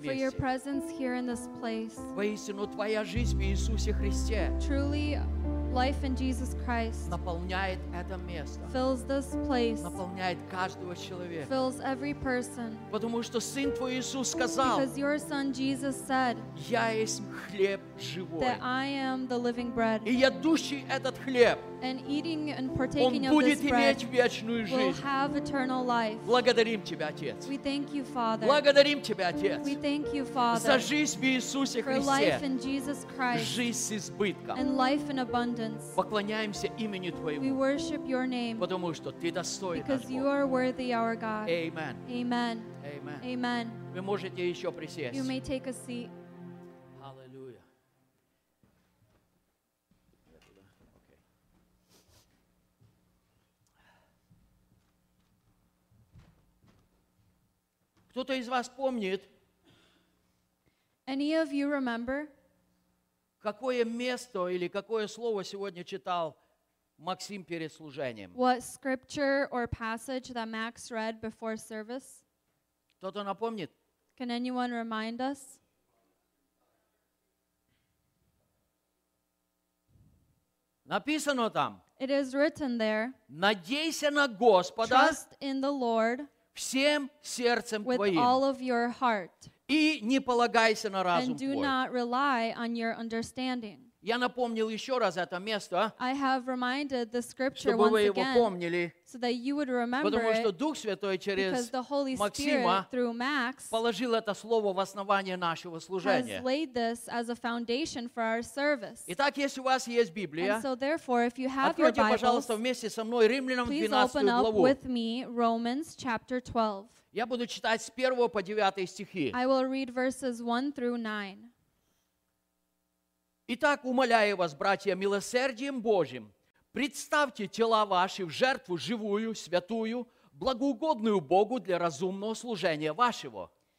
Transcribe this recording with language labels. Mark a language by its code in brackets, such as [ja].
[en] месте. For your presence here in this place. [ru] Воистину, Твоя жизнь в Иисусе Христе. [en] Truly, life in Jesus Christ. [ru] Наполняет это место. [en] Fills this place. [ru] Наполняет каждого человека. [en] Fills every person. [ru] Потому что Сын Твой Иисус сказал. [en] Because your Son Jesus said. [ru] Я есть хлеб живой. [en] That I am the living bread. [ru] И я дущий этот хлеб. [en] And eating and partaking of this bread will have eternal life. [ru] Благодарим Тебя, Отец. [en] We thank you, Father. [ru] Благодарим Тебя, Отец. [en] We thank you, Father. [ru] За жизнь в Иисусе Христе. [en] For life in Jesus Christ. [ru] Жизнь с избытком. [en] And life in abundance. [ru] Поклоняемся имени Твоему. [en] We worship your name. [ru] Потому что Ты достоин. [en] Because you are worthy, our God. Amen. Amen. Amen. Amen. [ru] Вы можете еще присесть. [en] You may take a seat. Hallelujah. [ru] Кто-то из вас помнит? [en] Any of you remember? [ru] Какое место или какое слово сегодня читал Максим перед служением? [en] What scripture or passage that Max read before service? [ru] Кто-то напомнит? [en] Can anyone remind us? [ru] Написано там. [en] It is written there. [ru] Надейся на Господа. [en] Trust in the Lord. [ru] Всем сердцем твоим. [en] With all of your heart. [ru] И не полагайся на разум твой. [en] And do not rely on your understanding. [ru] Я напомнил еще раз это место. [en] I have reminded the scripture [ru] Чтобы вы его помнили. [en] So that you would remember it. [ru] Потому что Дух Святой через Максима [en] Max [ru] положил это слово в основание нашего служения. [en] Has laid this as a foundation for our service. [ru] Итак, если у вас есть Библия, [en] and so therefore, if you have [ru] откройте, [en] your Bibles, [ru] пожалуйста, вместе со мной Римлянам 12 главу. [en] Please open up with me Romans chapter 12. [ru] Я буду читать с 1 по 9 стихи. [en] I will read verses 1 through 9. [ru] Итак, умоляю вас, братья, милосердием Божьим, представьте тела ваши в жертву живую, святую, благоугодную Богу для разумного служения вашего.